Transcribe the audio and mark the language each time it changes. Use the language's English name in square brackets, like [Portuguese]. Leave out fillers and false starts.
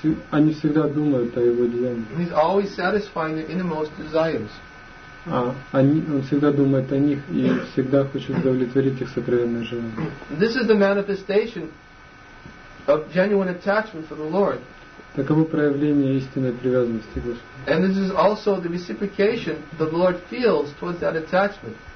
[Russian] Они всегда думают о его деяниях. [English] He's always satisfying their innermost desires. [Russian] Он всегда думает о них и всегда хочет удовлетворить их сокровенное желание. [English] This is the manifestation of genuine attachment for the Lord. [Russian] Таково проявление истинной привязанности к Господу. [English] And this is also the reciprocation the Lord feels towards that attachment.